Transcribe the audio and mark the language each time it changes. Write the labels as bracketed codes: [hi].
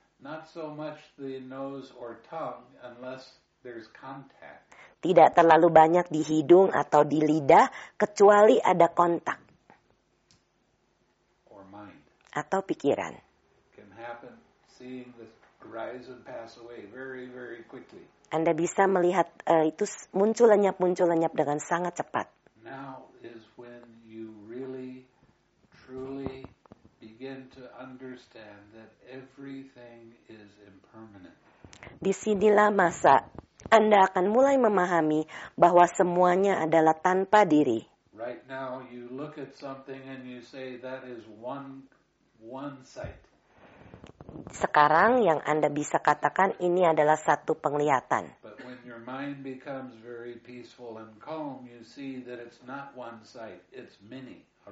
[en] Not so much the nose or tongue unless there's contact. [id] Tidak terlalu banyak di hidung atau di lidah kecuali ada kontak. [en] Or mind. [id] Atau pikiran. [en] Can happen seeing this rise and pass away very, very quickly. [id] Anda bisa melihat itu muncul lenyap dengan sangat cepat. [en] Now is when you really truly begin to understand that everything is impermanent. [id] Disinilah masa Anda akan mulai memahami bahwa semuanya adalah tanpa diri. [en] Right now you look at something and you say that is one sight. [id] Sekarang yang Anda bisa katakan ini adalah satu penglihatan. [en] But when your mind becomes very peaceful and calm, you see that it's not one sight, it's many.